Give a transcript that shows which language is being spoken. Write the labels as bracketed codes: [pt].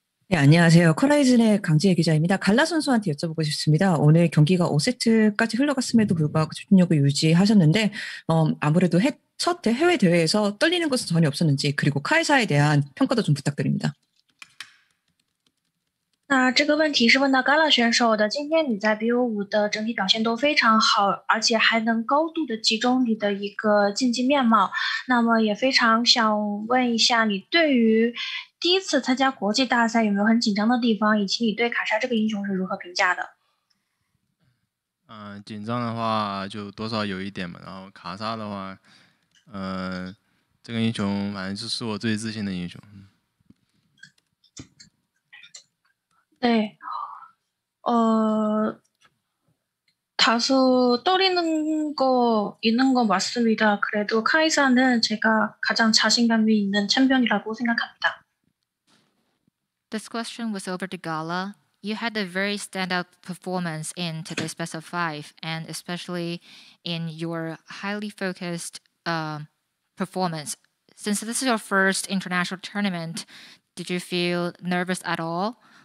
[ko] 네, 안녕하세요. 코라이즌의 강지혜 기자입니다. 갈라 선수한테 여쭤보고 싶습니다. 오늘 경기가 5세트까지 흘러갔음에도 불구하고 집중력을 유지하셨는데 아무래도 첫 해외 대회에서 떨리는 것은 전혀 없었는지 그리고 카이사에 대한 평가도 좀 부탁드립니다. [zh] 那这个问题是问到 GALA 选手的今天你在 BO5的整体表现都非常好 而且还能高度的集中你的一个竞技面貌那么也非常想问一下你对于第一次参加国际大赛有没有很紧张的地方以及你对卡莎这个英雄是如何评价的紧张的话就多少有一点嘛然后卡莎的话这个英雄反正是我最自信的英雄 [ko] 네, 다소 떨리는 거 있는 거 맞습니다. 그래도 카이사는 제가 가장 자신감이 있는 챔피언이라고 생각합니다. [en] This question was over to Gala. You had a very standout performance in today's best of five, and especially in your highly focused performance. Since this is your first international tournament, did you feel nervous at all?